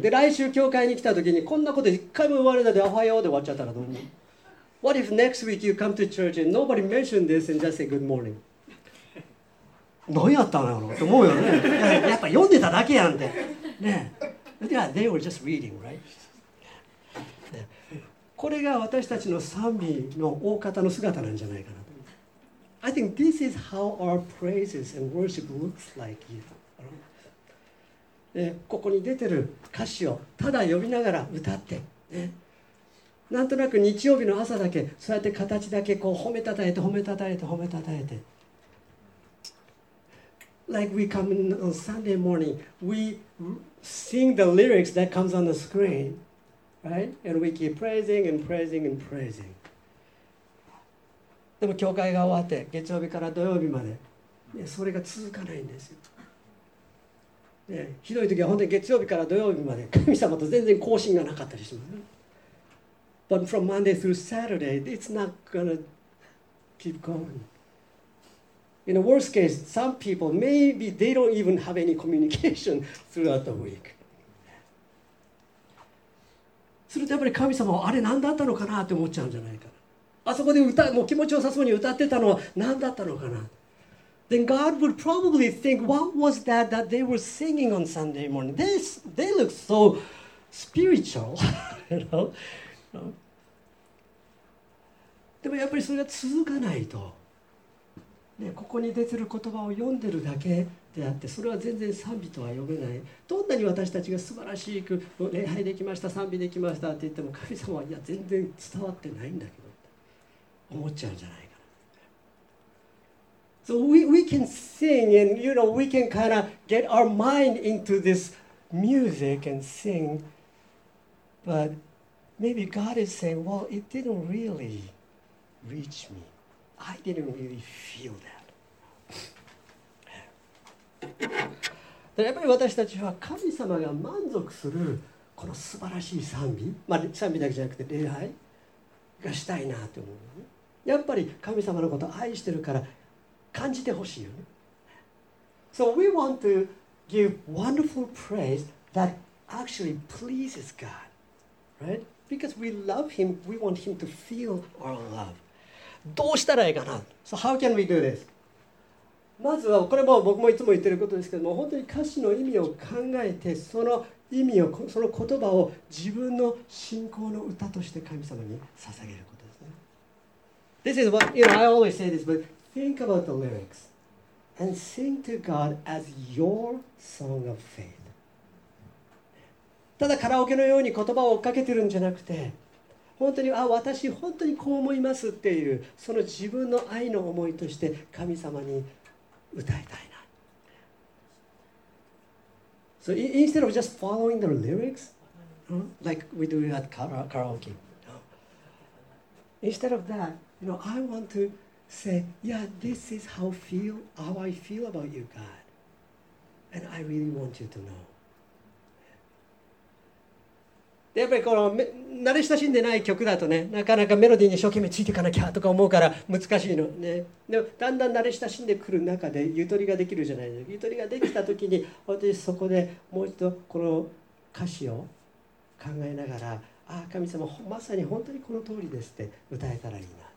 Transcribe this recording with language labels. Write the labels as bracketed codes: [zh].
[ja] で、来週教会に来た時にこんなこと一回も言われないでおはようで終わっちゃったらどう思う？ [en] What if next week you come to church and nobody mentioned this and just say good morning? [ja] 何やったのやろと思うよね。やっぱ読んでただけやんて。ね。 [en] Yeah, they were just reading, right? [ja] これが私たちの賛美の大方の姿なんじゃないかなと。 [en] I think this is how our praises and worship looks like you. [ja] ここに出てる歌詞をただ読みながら歌って、ね、なんとなく日曜日の朝だけそうやって形だけこう褒めたたえて褒めたたえて褒めたたえて。 [en] Like we come in on Sunday morning, we sing the lyrics that comes on the screen. Right? And we keep praising and praising and praising. [ja] でも教会が終わって月曜日から土曜日までそれが続かないんですよ。でひどい時は本当に月曜日から土曜日まで神様と全然交信がなかったりします。 [en] But from Monday through Saturday, it's not gonna keep going. In the worst case, some people maybe they don't even have any communication throughout the week. [ja] するとやっぱり神様はあれ何だったのかなって思っちゃうんじゃないかな。あそこで歌もう気持ちよさそうに歌ってたのは何だったのかな。 [en] Then God would probably think, what was that that they were singing on Sunday morning? They look so spiritual, you know? [ja] でもやっぱりそれは続かないと、ね、ここに出てる言葉を読んでるだけであってそれは全然賛美とは呼べない。どんなに私たちが素晴らしく礼拝できました賛美できましたって言っても神様はいや全然伝わってないんだけどって思っちゃうんじゃないかな。 [en] So we can sing and you know we can kind of get our mind into this music and sing, but maybe God is saying, well, it didn't really reach me. I didn't really feel that. [ja] やっぱり私たちは神様が満足するこの素晴らしい賛美、まあ、賛美だけじゃなくて礼拝がしたいなと思う、ね、やっぱり神様のことを愛してるから感じてほしいよね。 [en] So we want to give wonderful praise that actually pleases God, right? Because we love him, we want him to feel our love. [ja] どうしたらいいかな。 [en] So how can we do this? [ja] まずはこれも僕もいつも言ってることですけども、本当に歌詞の意味を考えてその意味をその言葉を自分の信仰の歌として神様に捧げることですね。 [en] This is what, you know, I always say this, but think about the lyrics and sing to God as your song of faith. [ja] ただカラオケのように言葉を追っかけてるんじゃなくて、本当にあ私本当にこう思いますっていうその自分の愛の思いとして神様に歌いたいな。 [en] So instead of just following the lyrics, like we do at karaoke, instead of that, you know, I want to say, yeah, this is how I feel about you, God, and I really want you to know. [ja] やっぱりこの慣れ親しんでない曲だとね、なかなかメロディーに一生懸命ついていかなきゃとか思うから難しいのね。でもだんだん慣れ親しんでくる中でゆとりができるじゃないですか。ゆとりができた時に私そこでもう一度この歌詞を考えながら、ああ神様まさに本当にこの通りですって歌えたらいいな。